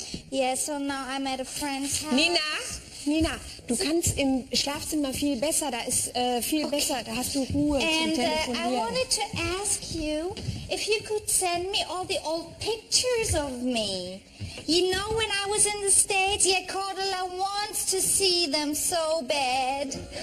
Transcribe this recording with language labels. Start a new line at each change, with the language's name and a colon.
English: Yeah, so now I'm at a friend's house.
German: Nina, du kannst im Schlafzimmer viel besser, da ist viel okay. besser, da hast du Ruhe
English: and,
German: zum Telefonieren.
English: And I wanted to ask you if you could send me all the old pictures of me. You know, when I was in the States, yeah, Cordula wants to see them so bad.